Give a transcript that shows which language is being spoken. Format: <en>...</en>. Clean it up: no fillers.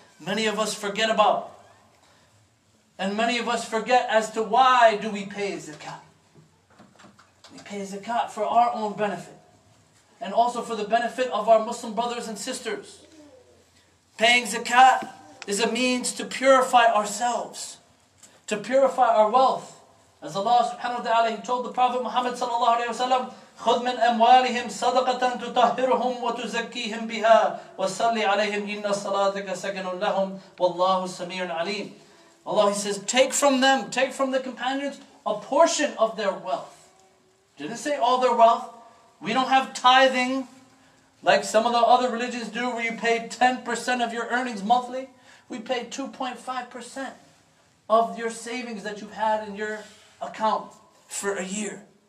<en>Many of us forget about. And many of us forget as to why do we pay zakat. We pay zakat for our own benefit. And also for the benefit of our Muslim brothers and sisters. Paying zakat is a means to purify ourselves. To purify our wealth. As Allah subhanahu wa ta'ala told the Prophet Muhammad sallallahu alayhi wa sallam,</en> <ar>خذ من أموالهم صدقة تطهرهم وتزكيهم بها وصلي عليهم إن صلاتك سكن لهم والله سميع عليم.</ar> <en>Allah, He says, take from them, take from the companions a portion of their wealth. Didn't say all their wealth. We don't have tithing like some of the other religions do, where you pay 10% of your earnings monthly. We pay 2.5% of your savings that you've had in your account for a year.</en>